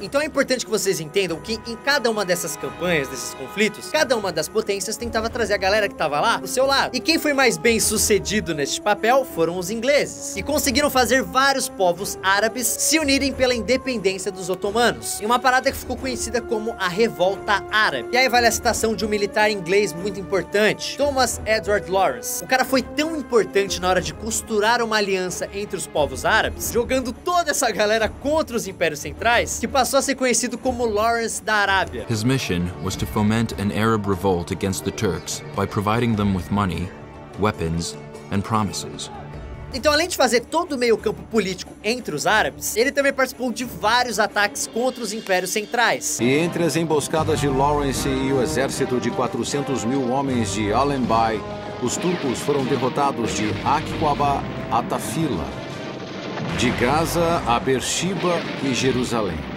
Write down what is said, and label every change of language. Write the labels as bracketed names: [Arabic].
[Portuguese] Então, é importante que vocês entendam que em cada uma dessas campanhas, desses conflitos, cada uma das potências tentava trazer a galera que tava lá pro seu lado. E quem foi mais bem sucedido neste papel foram os ingleses, que conseguiram fazer vários povos árabes se unirem pela independência dos otomanos, em uma parada que ficou conhecida como a Revolta Árabe. E aí vale a citação de um militar inglês muito importante, Thomas Edward Lawrence. O cara foi tão importante na hora de costurar uma aliança entre os povos árabes, jogando toda essa galera contra os impérios centrais, que passou a ser conhecido como Lawrence da Arábia. [English] His mission was to foment an Arab revolt against the Turks by providing them with money, weapons, and promises. [Portuguese] Então, além de fazer todo o meio-campo político entre os árabes, ele também participou de vários ataques contra os impérios centrais. E entre as emboscadas de Lawrence e o exército de 400 mil homens de Allenby, os turcos foram derrotados de Akkaba a Tafila, de Gaza a Beersheba e Jerusalém.